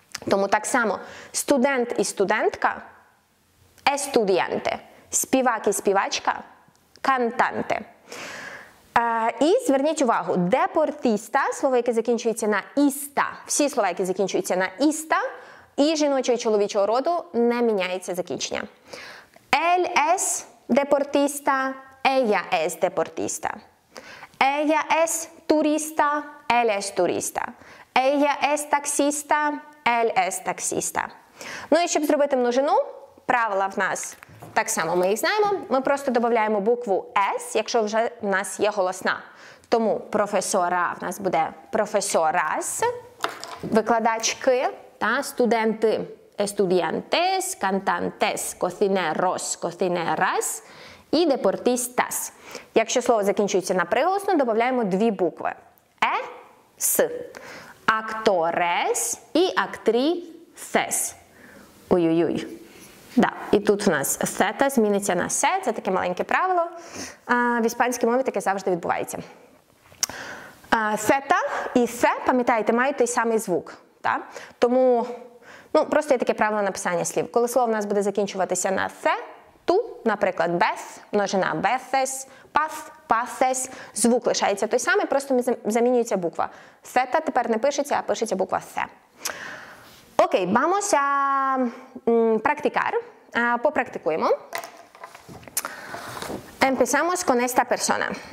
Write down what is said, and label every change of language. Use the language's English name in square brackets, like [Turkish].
[Ukrainian] Тому так само студент і студентка – estudiante. Співак і співачка – cantante. І зверніть увагу, депортіста – слово, яке закінчується на «іста». Всі слова, які закінчуються на «іста» і жіночого і чоловічого роду, не міняється закінчення. [Spanish] «El es deportista», «ella es deportista». «Ella es turista», «él es turista». «Ella es taxista», «él es taxista». [Ukrainian] Ну і щоб зробити множину, правила в нас – так само ми їх знаємо. Ми просто додаємо букву «с», якщо вже в нас є голосна. Тому «професора» в нас буде «професорас», «викладачки», та «студенти» – [Spanish] «estudiantes», «cantantes», «cocineros», «cocineras» і «deportistas». [Ukrainian] Якщо слово закінчується на приголосну, додаємо дві букви – «е», «с», [Spanish] «actores» і «actrices». [Ukrainian] Ой-ой-ой. Да, і тут у нас сета зміниться на се, це таке маленьке правило. В іспанській мові таке завжди відбувається. Сета і се, пам'ятаєте, мають той самий звук. Так? Тому, ну, просто є таке правило написання слів. Коли слово в нас буде закінчуватися на се, ту, наприклад, без, множина безес, пас, пасес, звук лишається той самий, просто замінюється буква. Сета тепер не пишеться, а пишеться буква се. [Spanish] Окей, vamos a practicar, [Ukrainian] попрактикуємо. [Spanish] Empezamos con esta persona.